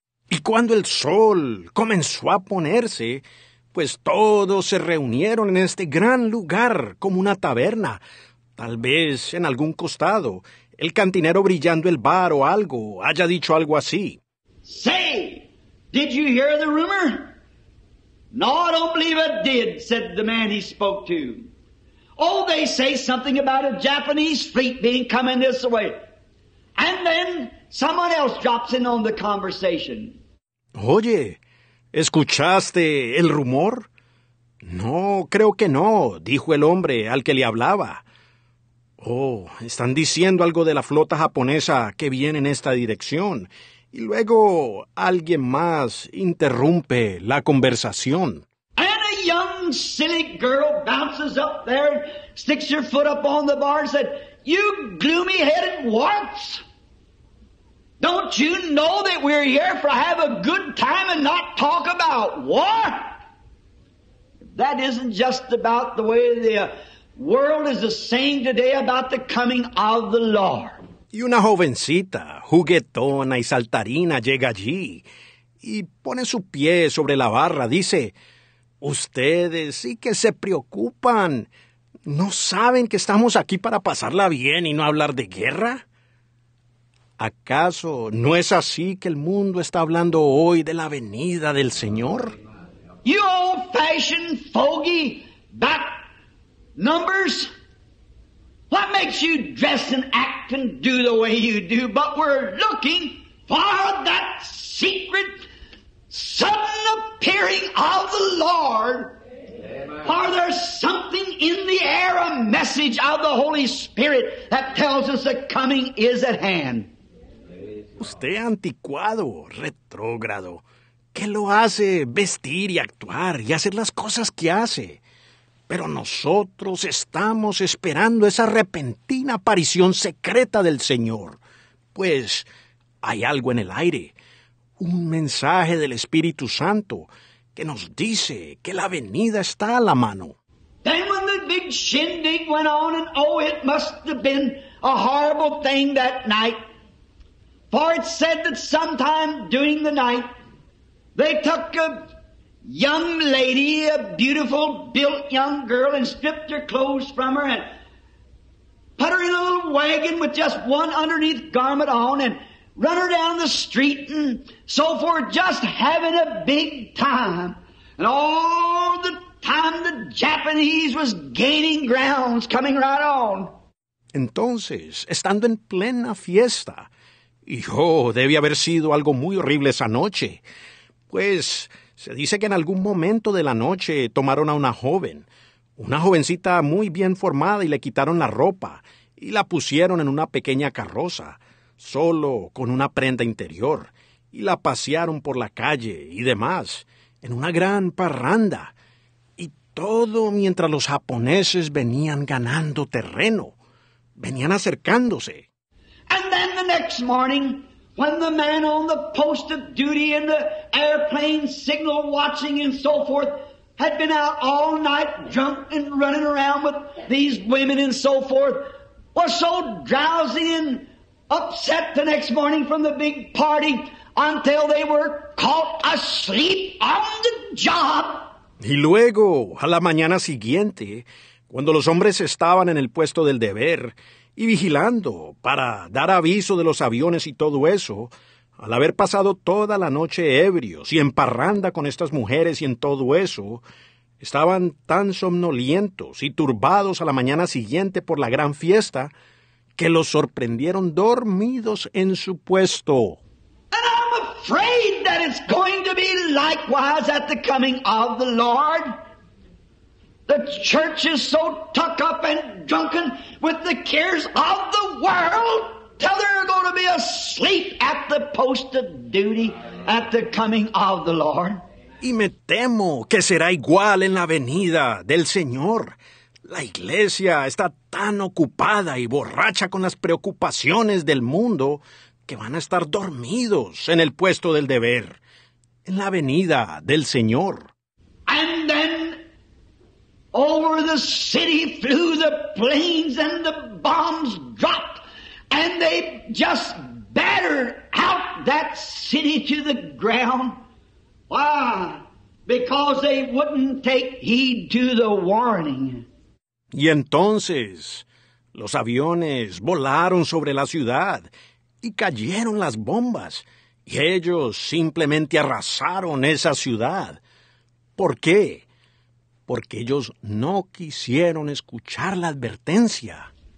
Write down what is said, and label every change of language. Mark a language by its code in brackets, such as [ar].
[es] Y cuando el sol comenzó a ponerse, pues todos se reunieron en este gran lugar como una taberna. Tal vez en algún costado, el cantinero brillando el bar o algo haya dicho algo así. [en] Say, did you hear the rumor? No, I don't believe I did, said the man he spoke to. Oh, they say something about a Japanese fleet being coming this way. And then someone else drops in on the conversation. [es] Oye, ¿escuchaste el rumor? No, creo que no, dijo el hombre al que le hablaba. Oh, están diciendo algo de la flota japonesa que viene en esta dirección. Y luego alguien más interrumpe la conversación. [en] And a young silly girl bounces up there, sticks her foot up on the bar and said, you gloomy-headed warts! Don't you know that we're here for have a good time and not talk about war? That isn't just about the way the world is saying today about the coming of the Lord. [es] Y una jovencita, juguetona y saltarina, llega allí y pone su pie sobre la barra. Dice, ustedes sí que se preocupan. ¿No saben que estamos aquí para pasarla bien y no hablar de guerra? ¿Acaso no es así que el mundo está hablando hoy de la venida del Señor? [en] You old-fashioned fogey back numbers. What makes you dress and act and do the way you do? But we're looking for that secret sudden appearing of the Lord. Are there something in the air, a message of the Holy Spirit that tells us the coming is at hand? [es] Usted anticuado, retrógrado, ¿qué lo hace vestir y actuar y hacer las cosas que hace? Pero nosotros estamos esperando esa repentina aparición secreta del Señor. Pues hay algo en el aire, un mensaje del Espíritu Santo que nos dice que la venida está a la mano. [en] Then when the big shindig went on, and oh, it must have been a horrible thing that night. For it said that sometime during the night, they took a young lady, a beautiful built young girl, and stripped her clothes from her and put her in a little wagon with just one underneath garment on and run her down the street and so forth, just having a big time. And all the time the Japanese was gaining grounds, coming right on. [es] Entonces, estando en plena fiesta, hijo, debe haber sido algo muy horrible esa noche. Pues se dice que en algún momento de la noche tomaron a una jovencita muy bien formada, y le quitaron la ropa y la pusieron en una pequeña carroza, solo con una prenda interior, y la pasearon por la calle y demás, en una gran parranda, y todo mientras los japoneses venían ganando terreno, venían acercándose. [en] And then the next morning, when the man on the post of duty in the airplane signal watching and so forth had been out all night drunk and running around with these women and so forth, was so drowsy and upset the next morning from the big party until they were caught asleep on the job. [es] Y luego, a la mañana siguiente, cuando los hombres estaban en el puesto del deber y vigilando para dar aviso de los aviones y todo eso, al haber pasado toda la noche ebrios y en parranda con estas mujeres y en todo eso, estaban tan somnolientos y turbados a la mañana siguiente por la gran fiesta, que los sorprendieron dormidos en su puesto. [en] And I'm afraid that it's going to be likewise at the coming of the Lord. The church is so tucked up and drunken with the cares of the world till they're going to be asleep at the post of duty at the coming of the Lord. [es] Y me temo que será igual en la venida del Señor. La iglesia está tan ocupada y borracha con las preocupaciones del mundo que van a estar dormidos en el puesto del deber, en la venida del Señor. [en] And then over the city flew the planes and the bombs dropped, and they just battered out that city to the ground. Why? Because they wouldn't take heed to the warning. [es] Y entonces, los aviones volaron sobre la ciudad y cayeron las bombas, y ellos simplemente arrasaron esa ciudad. ¿Por qué? Porque ellos no quisieron escuchar la advertencia.